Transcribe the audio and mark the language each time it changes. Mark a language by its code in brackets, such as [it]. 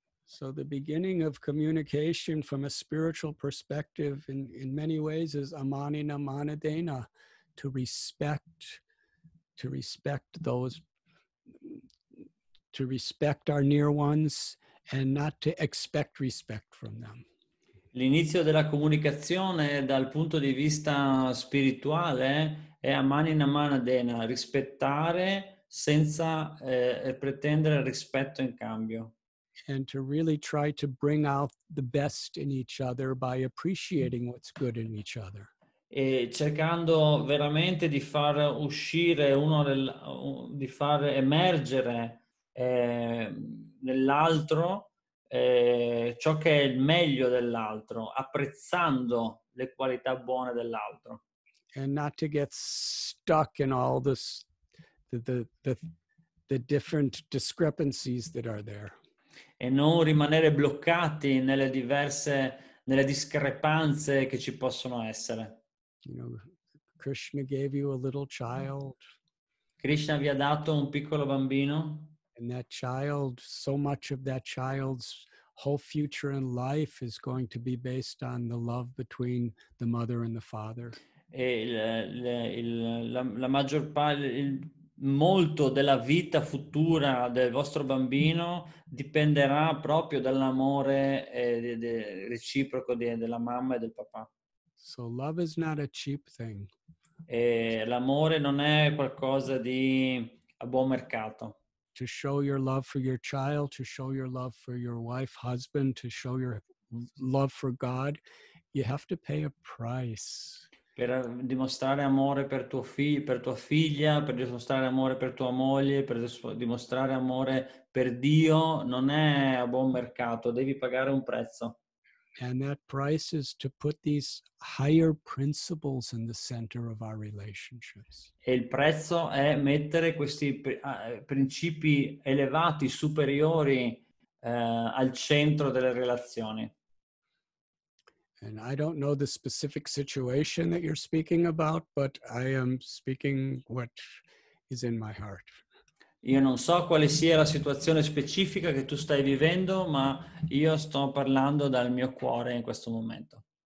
[en] So the beginning of communication from a spiritual perspective in many ways is amanina manadena, to respect our near ones and not to expect respect from them. [it] L'inizio della comunicazione dal punto di vista spirituale è a mani in mano dena, rispettare senza pretendere rispetto in cambio. [en] And to really try to bring out the best in each other by appreciating what's good in each other. [it] E cercando veramente di far uscire uno, di far emergere nell'altro ciò che è il meglio dell'altro, apprezzando le qualità buone dell'altro. [en] And not to get stuck in all this, the different discrepancies that are there. [it] E non rimanere bloccati nelle discrepanze che ci possono essere. [en] You know, Krishna gave you a little child. [it] Krishna vi ha dato un piccolo bambino. [en] And that child, so much of that child's whole future in life is going to be based on the love between the mother and the father. [it] E la maggior parte, molto della vita futura del vostro bambino dipenderà proprio dall'amore reciproco della mamma e del papà. [en] So love is not a cheap thing. [it] E l'amore non è qualcosa di a buon mercato. [en] To show your love for your child, to show your love for your wife, husband, to show your love for God, you have to pay a price. [it] Per dimostrare amore per tuo figlio, per tua figlia, per dimostrare amore per tua moglie, per dimostrare amore per Dio, non è a buon mercato, devi pagare un prezzo. [en] And that price is to put these higher principles in the center of our relationships. [it] E il prezzo è mettere questi principi elevati, superiori, al centro delle relazioni. [en] And I don't know the specific situation that you're speaking about, but I am speaking what is in my heart. [it] Io non so quale sia la situazione specifica che tu stai vivendo, ma io sto parlando dal mio cuore in questo momento.